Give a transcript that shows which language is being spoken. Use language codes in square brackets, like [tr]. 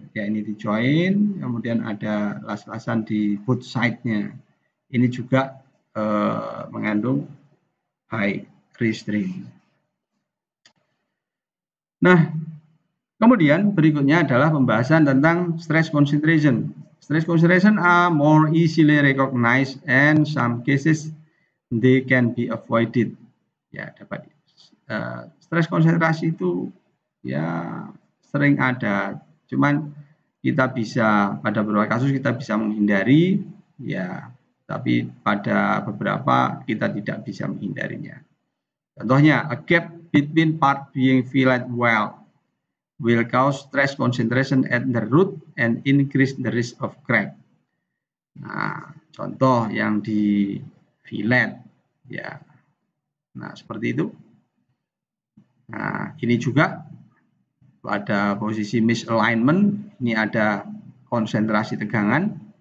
[id] Ya, ini T-joint, kemudian ada las-lasan di both side-nya. Ini juga mengandung height restraint. Nah, kemudian berikutnya adalah pembahasan tentang stress concentration. [en] Stress concentration are more easily recognized and some cases they can be avoided. [id] Ya, dapat. Stress konsentrasi itu ya sering ada, cuman kita bisa pada beberapa kasus kita bisa menghindari, ya, tapi pada beberapa kita tidak bisa menghindarinya. Contohnya, [en] a gap between part being filled well will cause stress concentration at the root and increase the risk of crack. [id] Nah, contoh yang di fillet, ya. Nah, seperti itu. Nah, ini juga pada posisi misalignment, ini ada konsentrasi tegangan.